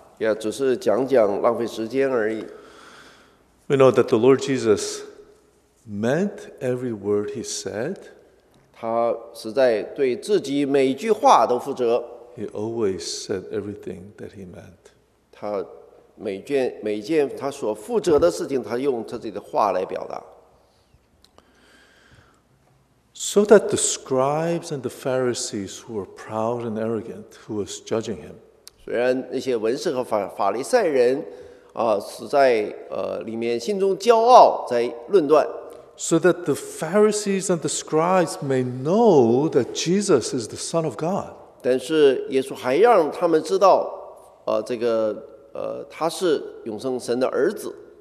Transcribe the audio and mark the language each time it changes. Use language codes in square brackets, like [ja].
[zh] Yeah, 只是讲讲浪费时间而已。 [en] We know that the Lord Jesus meant every word he said. [zh] 他实在对自己每句话都负责。 [en] He always said everything that he meant. [zh] 他每件他所负责的事情，他用他自己的话来表达。 [en] So that the scribes and the Pharisees who were proud and arrogant, who was judging him, [zh] 虽然那些文士和法利赛人实在里面心中骄傲，在论断。 [en] So that the Pharisees and the scribes may know that Jesus is the Son of God. [zh] 但是耶稣还让他们知道，这个他是永生神的儿子。